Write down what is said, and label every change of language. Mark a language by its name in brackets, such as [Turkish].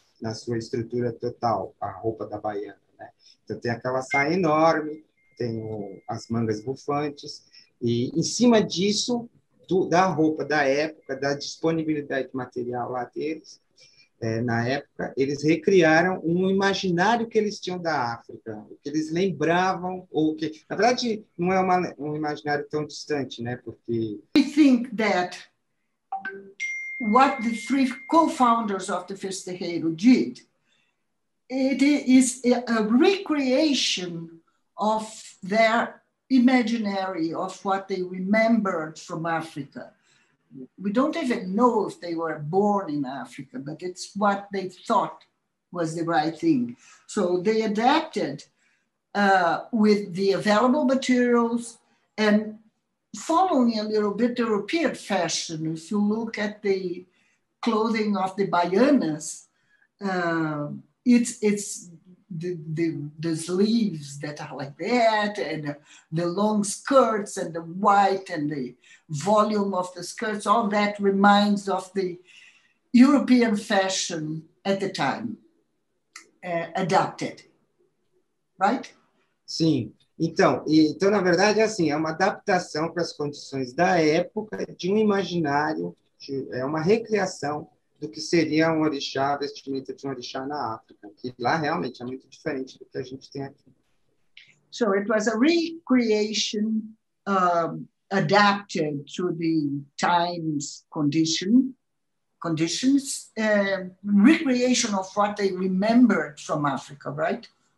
[Portuguese] na sua estrutura total, a roupa da baiana, né? Então, tem aquela saia enorme, tem as mangas bufantes, e em cima disso, da roupa da época, da disponibilidade material lá deles, na época, eles recriaram um imaginário que eles tinham da África, o que eles lembravam, ou que... Na verdade, não é um imaginário tão distante, né? Porque... [English] We think that what the three co-founders of the Festejeiro did, it is a recreation of their imaginary, of what they remembered from Africa. We don't even know if they were born in Africa, but it's what they thought was the right thing. So they adapted with the available materials and following a little bit the European fashion. If you look at the clothing of the Baianas, it's the sleeves that are like that, and the long skirts and the white and the volume of the skirts, all that reminds of the European fashion at the time, adapted, right? [Portuguese] Sim. Então, na verdade, assim, é uma adaptação para as condições da época de um imaginário, é uma recriação do que seria um orixá, a vestimenta de um orixá na África, que lá realmente é muito diferente do que a gente tem aqui. [English] So it was a recreation adapted to the times conditions, recreation of what they remembered from Africa, right?